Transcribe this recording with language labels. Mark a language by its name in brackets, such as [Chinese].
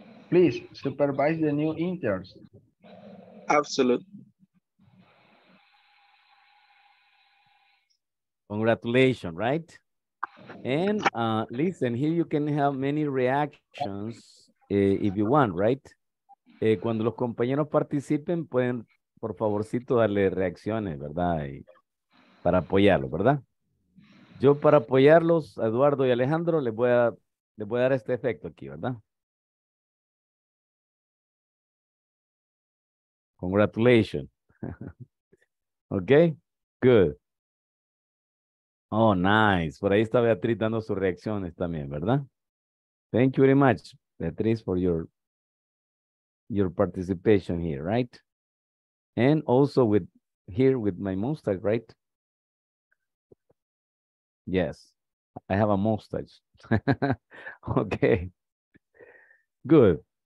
[English] Please supervise the new interns. Absolutely. Congratulations, right? And listen, here you can have many reactions if you want, right? [Spanish] Cuando los compañeros participen, pueden, por favorcito, darle reacciones, ¿verdad? Para apoyarlo, ¿verdad? Yo para apoyarlos, a Eduardo y Alejandro, les voy a dar este efecto aquí, ¿verdad? [English] Congratulations. Okay, good. Oh, nice. [Spanish] Por ahí está Beatriz dando sus reacciones también, ¿verdad? [English] Thank you very much, Beatriz, for your participation here, right? And also with here with my mustache, right? Yes, I have a mustache. Okay, good.